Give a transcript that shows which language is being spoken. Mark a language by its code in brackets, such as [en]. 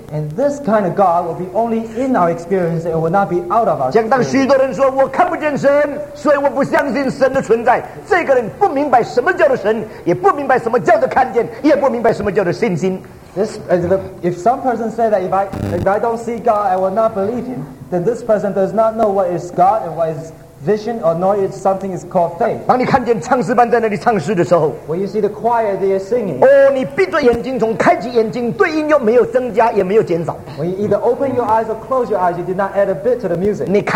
[en] And this kind of God will be only in our experience, and will not be out of our experience. [zh] 像当许多人说，我看不见神，所以我不相信神的存在。这个人不明白什么叫做神，也不明白什么叫做神，也不明白什么叫做信心。 [en] If some person said that if I don't see God, I will not believe him, then this person does not know what is God and what is vision, or nor is something is called faith. [zh] 当你看见唱诗班在那里唱诗的时候, [en] when you see the choir, they are singing. [zh] Oh, 你闭着眼睛，从开启眼睛，对音又没有增加，也没有减少。 [en] When you either open your eyes or close your eyes, you did not add a bit to the music.